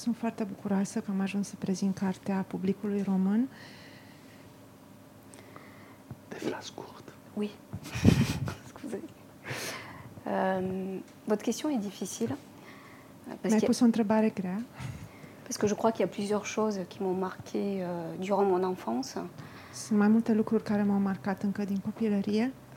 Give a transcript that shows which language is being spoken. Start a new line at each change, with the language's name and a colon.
Romanian: Sunt foarte bucuroasă că am ajuns să prezint cartea publicului român.
French: De phrase courte. Oui.
Romanian: Scuze.
French: Votre question est difficile.
Romanian: Mi-ai pus o întrebare grea.
French: Parce que je crois qu'il y a plusieurs choses qui m'ont marqué durant mon enfance.
Romanian: Sunt mai multe lucruri care m-au marcat încă din copilărie.